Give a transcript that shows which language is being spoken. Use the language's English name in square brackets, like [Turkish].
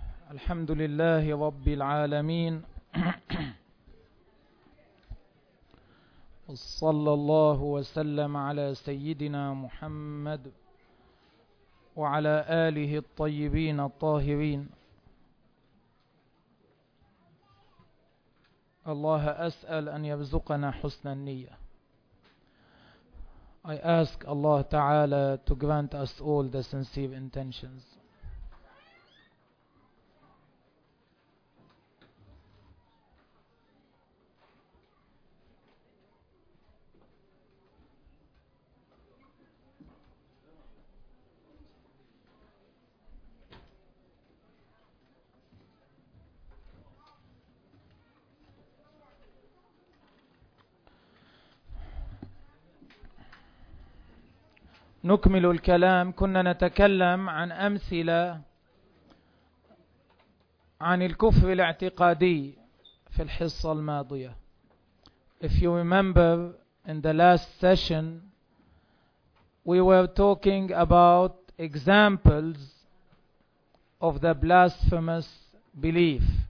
[Arabic] الحمد لله رب العالمين، وصلى الله وسلم على سيدنا محمد وعلى آله الطيبين الطاهرين. الله أسأل أن يرزقنا حسن النية. [English] I ask Allah Ta'ala to grant us all the sincere intentions. [Arabic] نكمل الكلام. كنا نتكلم عن أمثلة عن الكفر الاعتقادي في الحصة الماضية. [English] If you remember, in the last session we were talking about examples of the blasphemous beliefs.